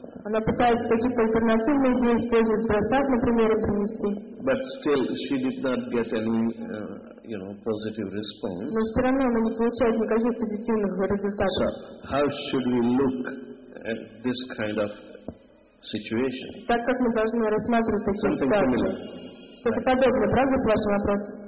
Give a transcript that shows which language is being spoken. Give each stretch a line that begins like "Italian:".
Russian: Она пытается какие-то альтернативные идеи использовать, бросат, например, принести.
English: But still she did not get any, you know, positive response.
Russian: Но все равно она не получает никаких позитивных результатов.
English: So how should we look at this kind of situation?
Russian: Так как мы должны рассматривать такие ситуации? Что-то подобное, правда, к вашему вопросу?